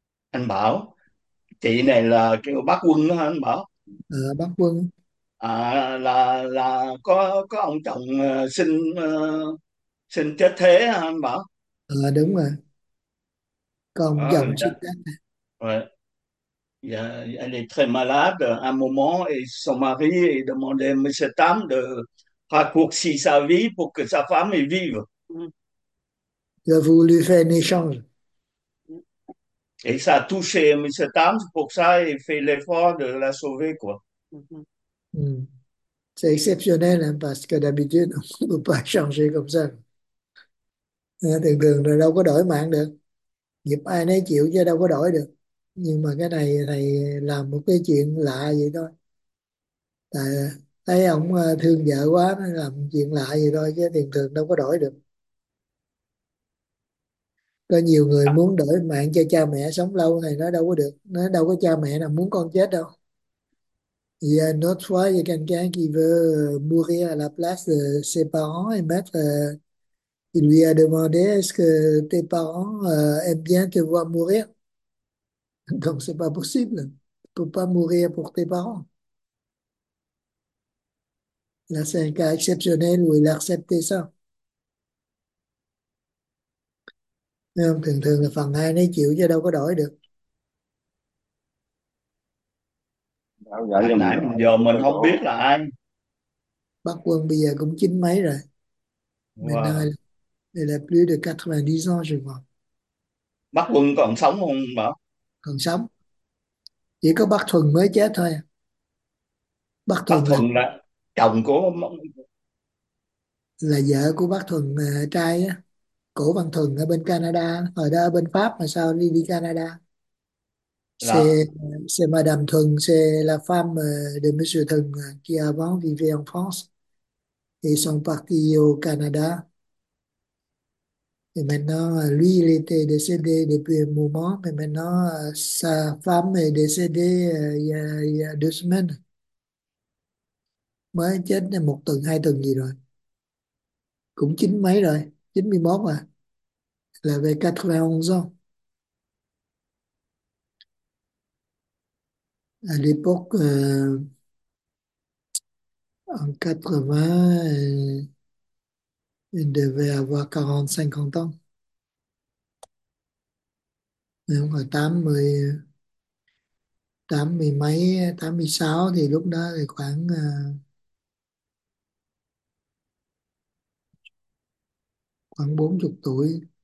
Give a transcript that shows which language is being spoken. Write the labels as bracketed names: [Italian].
[Vietnamese] Anh Bảo, chị này là kêu bác Quân đó hả anh Bảo? Bác Quân. À, là có ông chồng xin xin chết thế hả anh Bảo? Đúng rồi. Còn À, dòng sức rồi. [French] Elle est très malade à un moment et son mari a demandé à M. Tam de raccourcir sa vie pour que sa femme y vive. Il a voulu faire un échange. Et ça a touché M. Tam, pour ça il fait l'effort de la sauver, quoi. C'est exceptionnel hein, parce que d'habitude, on ne peut pas changer comme ça. [Vietnamese] Thường thường rồi đâu có đổi mạng được. Nghiệp ai nấy chịu chứ đâu có đổi được. Nhưng mà cái này thầy làm một cái chuyện lạ vậy thôi. Tại thấy ông thương vợ quá nên làm chuyện lạ vậy thôi chứ thường thường đâu có đổi được. Có nhiều người muốn đổi mạng cho cha mẹ sống lâu thì nó đâu có được. Nó đâu có cha mẹ nào muốn con chết đâu. [French] Il y a une autre fois, il y a quelqu'un qui veut mourir à la place de ses parents et mettre. Il lui a demandé, est-ce que tes parents aiment bien te voir mourir? Donc, c'est pas possible. Tu peux pas mourir pour tes parents. Là, c'est un cas exceptionnel où il a accepté ça. Thường thường là phần ai nấy chịu chứ đâu có đổi được. [Vietnamese] Lúc nãy giờ mình không biết là ai. Bác Quân bây giờ cũng chín mấy rồi. [French] Maintenant, Wow. il a plus de 90 ans, je crois. [Vietnamese] Bác Quân còn sống không bảo? Còn sống. Chỉ có bác Thuần mới chết thôi. Bác Bác Thuần Thuần là chồng của là vợ của bác Thuần trai á. Cổ Văn Thuần ở bên Canada. Hồi đó ở bên Pháp mà sao đi đi Canada. là [French] C'est Madame Thuần, c'est la femme de Monsieur Thuần qui avant vivait en France. Ils sont partis au Canada. Et maintenant, lui, il était décédé depuis un moment, mais maintenant, sa femme est décédée il y a 2 semaines. [Vietnamese] Mới chết 1 tuần, 2 tuần gì rồi. Cũng chín mấy rồi, 91 à. Là về 91 ans. [French] À l'époque, en 80, il devait avoir 40-50 ans. [Vietnamese] Nếu mà 86 thì lúc đó thì khoảng 40 tuổi.